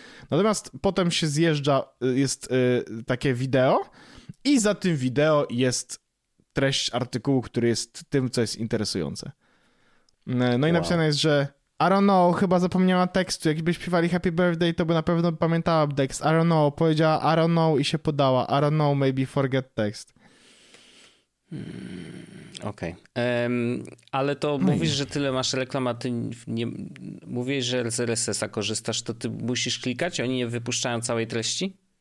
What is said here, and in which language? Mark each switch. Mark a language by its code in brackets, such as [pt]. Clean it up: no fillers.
[pl] Natomiast potem się zjeżdża, jest takie wideo i za tym wideo jest treść artykułu, który jest tym, co jest interesujące. No i wow. Napisane jest, że [en] I don't know, [pl] chyba zapomniała tekstu. Jakby śpiewali Happy Birthday, to by na pewno pamiętała tekst. [en] I don't know, [pl] powiedziała [en] I don't know [pl] i się podała. [en] I don't know, maybe forget text. [pl] Okej. Ale to no mówisz, że tyle masz reklam, a ty nie... Mówiłeś, że z RSS-a korzystasz, to ty musisz klikać? Oni nie wypuszczają całej treści?